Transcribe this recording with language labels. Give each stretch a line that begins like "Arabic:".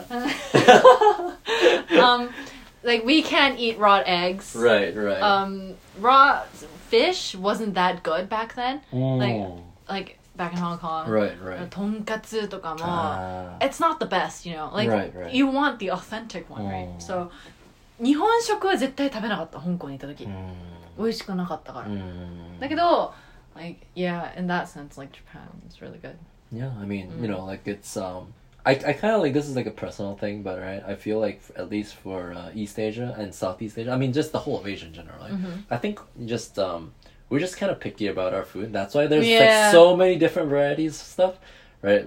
English: of. like we can't eat raw eggs. Right. Raw fish wasn't that good back then. Like back in Hong Kong. Right. Tonkatsu
Japanese: とかも,
English: it's not the best, you know. Like, right. You want the authentic one, right? So.
Japanese: 日本食は絶対食べなかった、香港に行った時。美味しくなかったから。だけど、
English: like, yeah, in that sense, like, Japan is really good. Yeah, I mean,you know, like, it's, I kind of like, this is like a personal thing, but, right, I feel like, at least for, East Asia and Southeast Asia, I mean, just the whole of Asia in general, like, I think just, we're just kind of picky about our food, that's why there's, like, so many different varieties of stuff, right?